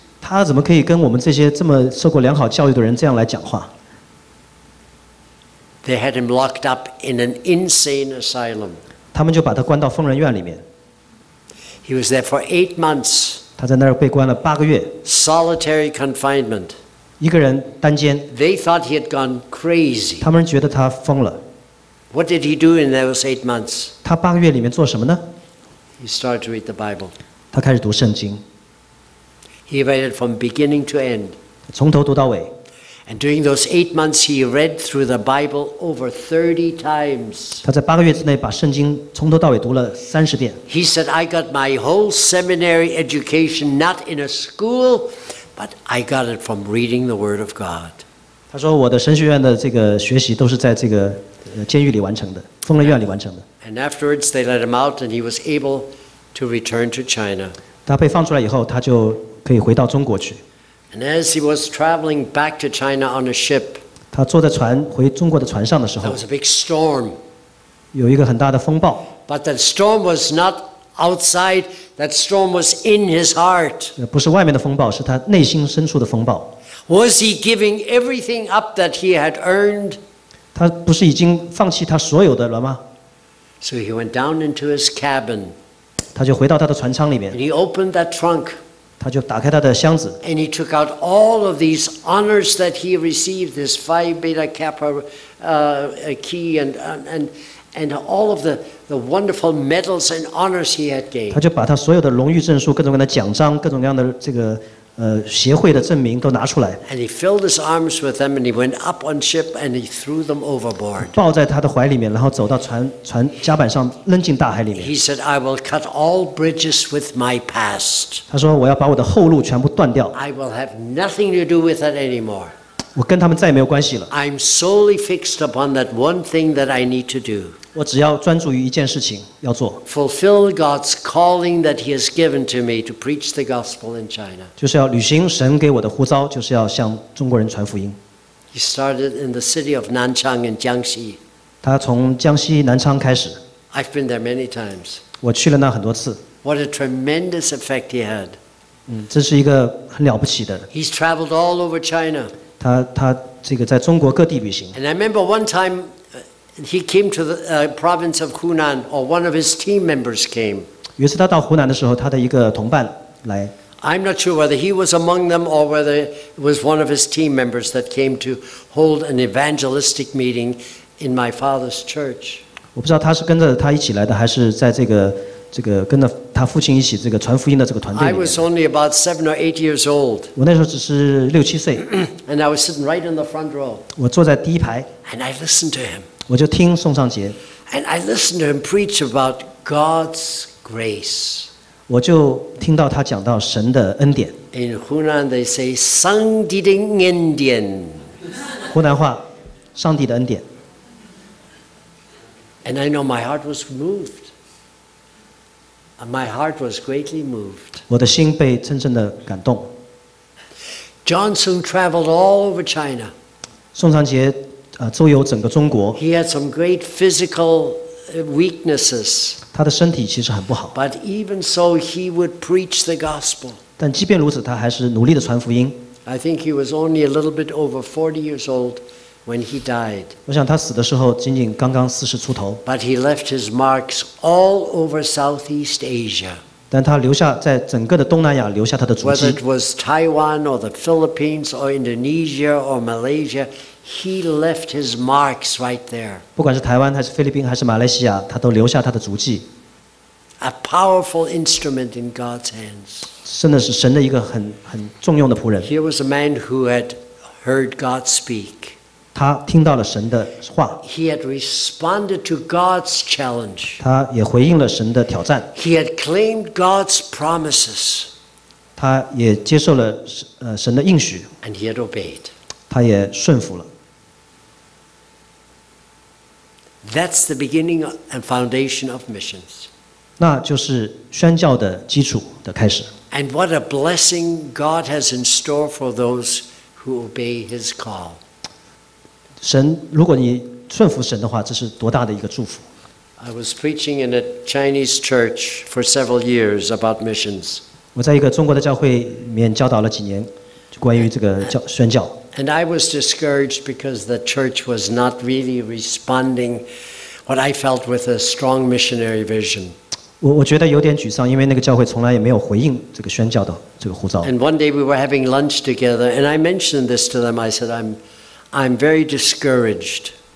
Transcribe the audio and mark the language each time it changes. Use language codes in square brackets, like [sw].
[zh] 他怎么可以跟我们这些这么受过良好教育的人这样来讲话 [en] ？They had him locked up in an insane asylum. [zh] 他们就把他关到疯人院里面。 [en] He was there for 8 months. [zh] 他在那儿被关了八个月。 [en] Solitary confinement. [zh] 一个人单间。 [en] They thought he had gone crazy. [zh] 他们觉得他疯了。 [en] What did he do in those 8 months? [zh] 他八个月里面做什么呢 [en] ？He started to read the Bible. [zh] 他开始读圣经。 [en] He read it from beginning to end. [zh] 从头读到尾。 [en] And during those 8 months, he read through the Bible over 30 times. [zh] 他在八个月之内把圣经从头到尾读了三十遍。 [en] He said, "I got my whole seminary education not in a school." But I got it from reading the Word of God. [zh] 他说我的神学院的这个学习都是在这个监狱里完成的，疯人院里完成的。 [en] And afterwards, they let him out, and he was able to return to China. [zh] 他被放出来以后，他就可以回到中国去。 [en] And as he was traveling back to China on a ship, [zh] 他坐在船回中国的船上的时候 [en] ，there was a big storm. [zh] 有一个很大的风暴。 [en] But that storm was not outside. That storm was in his heart. [zh] 不是外面的风暴，是他内心深处的风暴。 [en] Was he giving everything up that he had earned? [zh] 他不是已经放弃他所有的了吗？ [en] So he went down into his cabin. [zh] 他就回到他的船舱里面。 [en] And he opened that trunk. [zh] 他就打开他的箱子。 [en] And he took out all of these honors that he received, this Phi Beta Kappa key and all of the wonderful medals and honors he had gained. [zh] 他就把他所有的荣誉证书、各种各样的奖章、各种各样的这个协会的证明都拿出来。 [en] And he filled his arms with them, and he went up on ship, and he threw them overboard. [zh] 抱在他的怀里面，然后走到船甲板上，扔进大海里面。 [en] He said, "I will cut all bridges with my past." [zh] 他说我要把我的后路全部断掉。 [en] I will have nothing to do with that anymore. [zh] 我跟他们再也没有关系了。 [en] I'm solely fixed upon that one thing that I need to do. [zh] 我只要专注于一件事情要做。 [en] Fulfill God's calling that He has given to me to preach the gospel in China. [zh] 就是要履行神给我的呼召，就是要向中国人传福音。 [en] He started in the city of Nanchang in Jiangxi. [zh] 他从江西南昌开始。 [en] I've been there many times. [zh] 我去了那很多次。 [en] What a tremendous effect he had. [zh] 这是一个很了不起的。 [en] He's traveled all over China. [zh] 他这个在中国各地旅行。 [en] And I remember one time he came to the province of Hunan, or one of his team members came. [zh] 有一次他到湖南的时候，他的一个同伴来。 [en] I'm not sure whether he was among them or whether it was one of his team members that came to hold an evangelistic meeting in my father's church. [zh] 我不知道他是跟着他一起来的，还是在这个。这个跟着他父亲一起，这个传福音的这个团队里面。 [en] I was only about 7 or 8 years old. [zh] 我那时候只是六七岁。 [en] And I was sitting right in the front row. [zh] 我坐在第一排。 [en] And I listened to him. [zh] 我就听宋尚杰。 [en] And I listened to him preach about God's grace. [zh] 我就听到他讲到神的恩典。 [en] In Hunan, they say [zh] 上帝的恩典。湖南话，上帝的恩典。 [en] And I know my heart was moved. My heart was greatly moved. [zh] 我的心被真正的感动。 [en] John soon traveled all over China. [zh] 宋尚杰周游整个中国。 [en] He had some great physical weaknesses. [zh] 他的身体其实很不好。 [en] But even so, he would preach the gospel. [zh] 但即便如此，他还是努力地传福音。 [en] I think he was only a little bit over 40 years old. When he died, [zh] 我想他死的时候仅仅刚刚四十出头。 [en] But he left his marks all over Southeast Asia. [zh] 但他留下在整个的东南亚留下他的足迹。 [en] Whether it was Taiwan or the Philippines or Indonesia or Malaysia, he left his marks right there. [zh] 不管是台湾还是菲律宾还是马来西亚，他都留下他的足迹。 [en] A powerful instrument in God's hands. [zh] 真的是神的一个很重用的仆人。 [en] Here was a man who had heard God speak. [zh] 他听到了神的话。 [en] He had responded to God's challenge. [zh] 他也回应了神的挑战。 [en] He had claimed God's promises. [zh] 他也接受了神的应许。 [en] And he had obeyed. [zh] 他也顺服了。 [en] That's the beginning and foundation of missions. [zh] 那就是宣教的基础的开始。 [en] And what a blessing God has in store for those who obey His call. [zh] 神，如果你顺服神的话，这是多大的一个祝福。 [en] I was preaching in a Chinese church for several years about missions. [zh] 我在一个中国的教会里面教导了几年，关于这个宣教。 [en] And I was discouraged because the church was not really responding what I felt with a strong missionary vision. [zh] 我觉得有点沮丧，因为那个教会从来也没有回应这个宣教的这个呼召。 [en] And one day we were having lunch together, and I mentioned this to them. I said, I'm very discouraged.